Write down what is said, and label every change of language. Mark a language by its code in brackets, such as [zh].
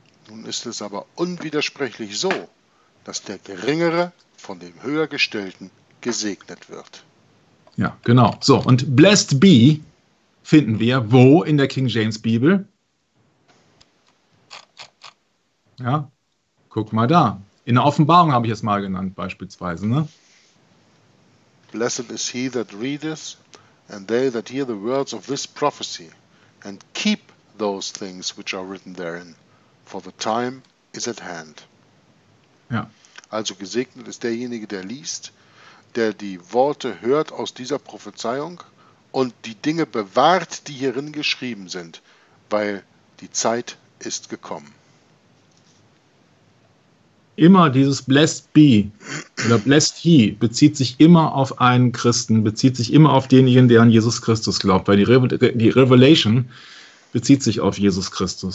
[de] Nun ist es aber unwidersprechlich so, dass der Geringere von dem Höhergestellten gesegnet wird. Ja, genau. So, und [en] blessed be [de] finden wir wo in der King James Bibel? Ja, guck mal da. In der Offenbarung habe ich es mal genannt, beispielsweise. Ne? [en] Blessed is he that readeth, and they that hear the words of this prophecy, and keep those things which are written therein, for the time is at hand. [de] Ja. Also gesegnet ist derjenige, der liest, der die Worte hört aus dieser Prophezeiung und die Dinge bewahrt, die hierin geschrieben sind, weil die Zeit ist gekommen. Immer dieses Blessed be oder Blessed he bezieht sich immer auf einen Christen, bezieht sich immer auf denjenigen, der an Jesus Christus glaubt, weil die Revelation bezieht sich auf Jesus Christus.